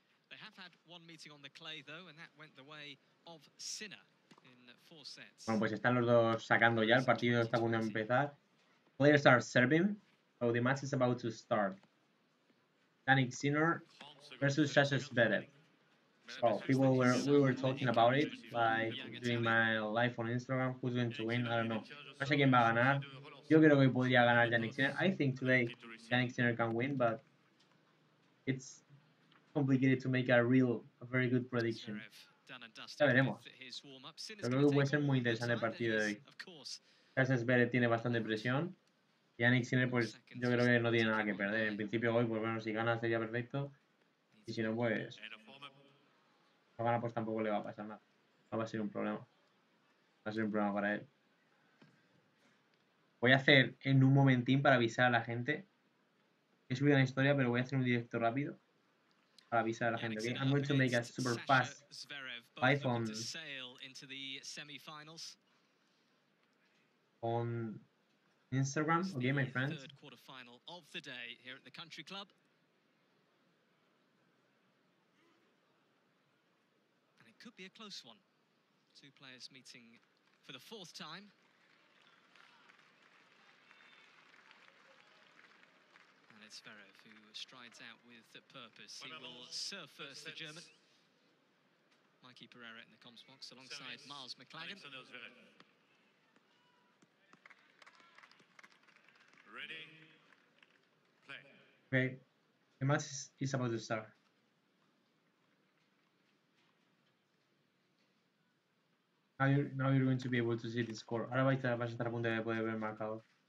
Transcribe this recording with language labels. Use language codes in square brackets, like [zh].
[en] They have had one meeting on the clay though, and that went the way of Sinner in four sets. [es] Bueno, pues están los dos sacando ya, el partido está a punto de empezar. [en] Players are serving, so the match is about to start. Jannik Sinner versus Sasha Zverev. So, people were, we were talking about it, by doing my life on Instagram, who's going to win, I don't know. [es] No sé quién va a ganar. Yo creo que podría ganar Jannik Sinner. [en] I think today Jannik Sinner can win, but it's complicated to make a very good prediction. [es] Ya veremos. Yo creo que puede ser muy interesante el partido de hoy. Sasha Zverev tiene bastante presión. Jannik Sinner, pues yo creo que no tiene nada que perder. En principio hoy, pues bueno, si gana sería perfecto. Y si no, pues no gana, pues tampoco le va a pasar nada. No va a ser un problema. Va a ser un problema para él. Voy a hacer en un momentín para avisar a la gente. He subido una historia, pero voy a hacer un directo rápido para avisar a la gente. [en] I'm going to make a super fast live on Instagram. Okay, my friends. Third quarterfinal of the day here at the Country Club. And it could be a close one. Two players meeting for the fourth time. Zverev, who strides out with the purpose. He will serve first the German. Mikey Pereira in the comms box alongside Miles McLagan. Ready, play. Okay, the match is about to start. Now you're going to be able to see the score. [es] Ahora vais a estar a punto de poder ver el marcador.